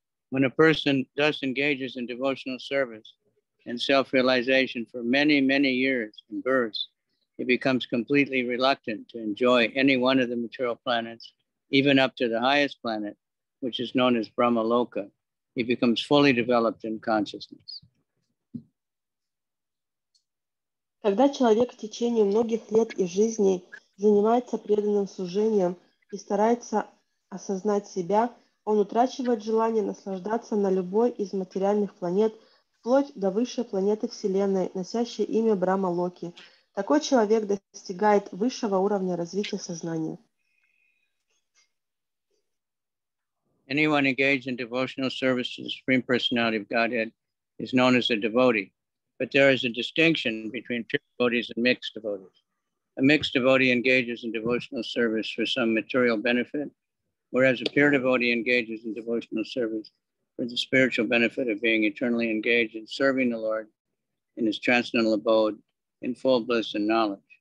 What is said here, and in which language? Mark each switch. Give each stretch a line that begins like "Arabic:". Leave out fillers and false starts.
English: When a person thus engages in devotional service and self-realization for many, many years in births, he becomes completely reluctant to enjoy any one of the material planets, even up to the highest planet, which is known as Brahma Loka, he becomes fully developed in consciousness.
Russian: Когда человек в течение многих лет и жизней занимается преданным служением и старается осознать себя, он утрачивает желание наслаждаться на любой из материальных планет, вплоть до высшей планеты Вселенной, носящей имя Брахма Локи. Такой человек достигает высшего уровня развития сознания.
English: Anyone engaged in devotional service to the Supreme Personality of Godhead is known as a devotee, but there is a distinction between pure devotees and mixed devotees. A mixed devotee engages in devotional service for some material benefit, whereas a pure devotee engages in devotional service for the spiritual benefit of being eternally engaged in serving the Lord in his transcendental abode in full bliss and knowledge.